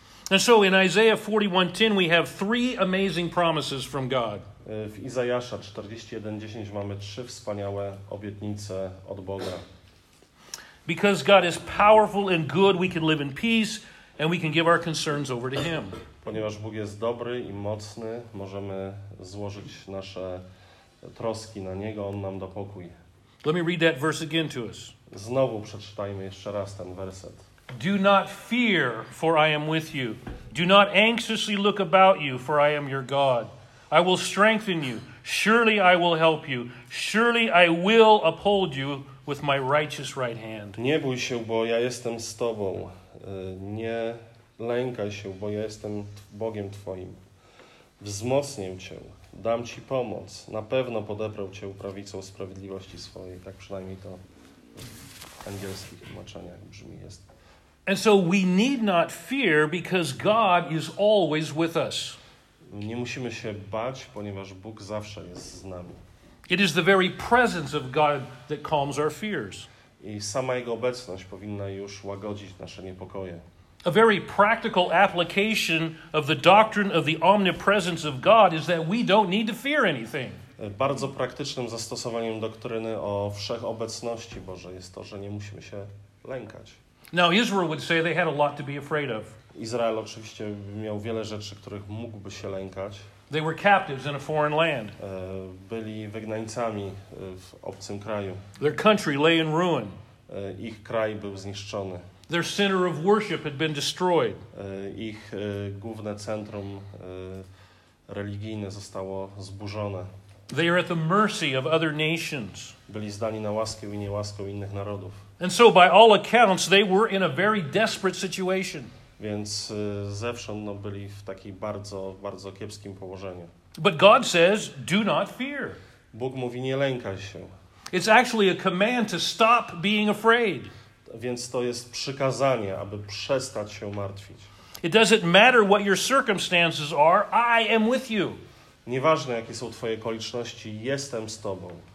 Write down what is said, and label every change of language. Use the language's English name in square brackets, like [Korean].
[English] And so in Isaiah 41:10 we have three amazing promises from God. [Polish] W Izajasza 41:10 mamy trzy wspaniałe obietnice od Boga. [English] Because God is powerful and good, we can live in peace and we can give our concerns over to him. [Polish] Ponieważ Bóg jest dobry i mocny, możemy złożyć nasze troski na niego, on nam da pokój. [English] Let me read that verse again to us. [Polish] Znowu przeczytajmy jeszcze raz ten werset. [English] Do not fear, for I am with you. Do not anxiously look about you, for I am your God. I will strengthen you. Surely I will help you. Surely I will uphold you with my righteous right hand. [Polish] Nie bój się, bo ja jestem z tobą. Nie lękaj się, bo ja jestem Bogiem twoim. Wzmocnię cię. Dam ci pomoc. Na pewno podeprę cię prawicą sprawiedliwości swojej. Tak przynajmniej to w angielskich tłumaczeniach brzmi jest. [English] And so we need not fear because God is always with us. [Polish] Nie musimy się bać, ponieważ Bóg zawsze jest z nami. [English] It is the very presence of God that calms our fears. [Polish] I sama jego obecność powinna już łagodzić nasze niepokoje. [English] A very practical application of the doctrine of the omnipresence of God is that we don't need to fear anything. [Polish] Bardzo praktycznym zastosowaniem doktryny o wszechobecności Bożej jest to, że nie musimy się lękać. [English] Now Israel would say they had a lot to be afraid of. [Polish] Izrael oczywiście miał wiele rzeczy, których mógłby się lękać. [English] They were captives in a foreign land. [Polish] Byli wygnańcami w obcym kraju. [English] Their country lay in ruin. [Polish] Ich kraj był zniszczony. [English] Their center of worship had been destroyed. [Polish] Ich główne centrum religijne zostało zburzone. [English] They are at the mercy of other nations. [Polish] Byli zdani na łaskę i niełaskę innych narodów. [English] And so by all accounts they were in a very desperate situation. [Polish] Więc zewsząd no, byli w takim bardzo, bardzo kiepskim położeniu. [English] But God says, do not fear. [Polish] Bóg mówi, nie lękaj się. [English] It's actually a command to stop being afraid. [Polish] Więc to jest przykazanie, aby przestać się martwić. [English] It doesn't matter what your circumstances are, I am with you. [Polish] Nieważne, jakie są twoje okoliczności, jestem z tobą.